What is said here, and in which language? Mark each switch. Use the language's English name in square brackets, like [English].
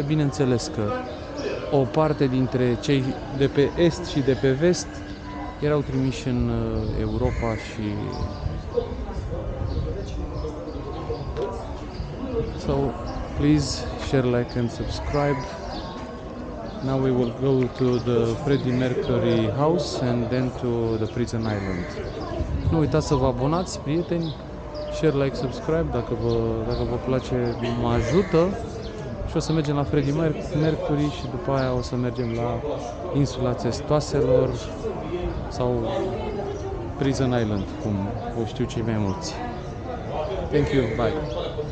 [Romanian] Bineînțeles că o parte dintre cei de pe est și de pe vest erau trimiși în Europa și [English] so, please share, like and subscribe. Now we will go to the Freddie Mercury house and then to the Prison Island. [Romanian] Nu uitați să vă abonați, prieteni. [English] Share, like, subscribe, [Romanian] dacă vă place, mă ajută. Și o să mergem la Freddie Mercury și după aia o să mergem la insula Țestoaselor sau Prison Island, cum o știu cei mai mulți. [English] Thank you, bye!